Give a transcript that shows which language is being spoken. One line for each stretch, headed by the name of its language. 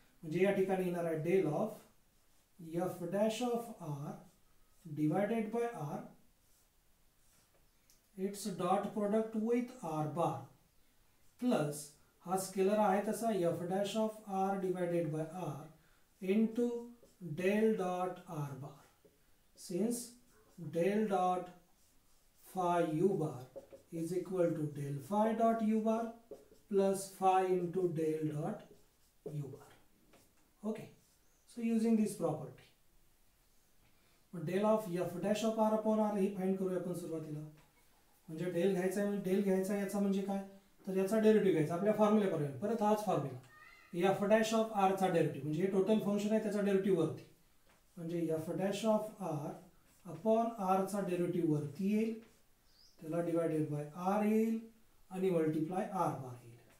Marathi: म्हणजे या ठिकाणी येणार आहे
English: del of F dash of R divided by R its dot product with R bar plus
Marathi: हा स्केलर आहे तसा
English: F dash of R divided by R into del dot R bar. Since del dot phi U bar is equal to del phi dot U bar plus phi into del dot U bar. Okay, so using this property del of F dash of R upon R
Marathi: he find करूया आपण सुरुवातीला. म्हणजे del घ्यायचा आहे, del घ्यायचा आहे याचा म्हणजे काय, तर याचा डेरिव्हेटिव्ह घ्यायचा आपल्या फॉर्म्युल्यापर्यंत. परत हाच formula F dash of आरचा derivative, म्हणजे हे टोटल फंक्शन आहे त्याचा डेरिव्हेटिव्ह वरती, म्हणजे F dash of R upon आरचा derivative वरती येईल, त्याला डिवायडेड बाय आर येईल आणि मल्टीप्लाय आर बार येईल.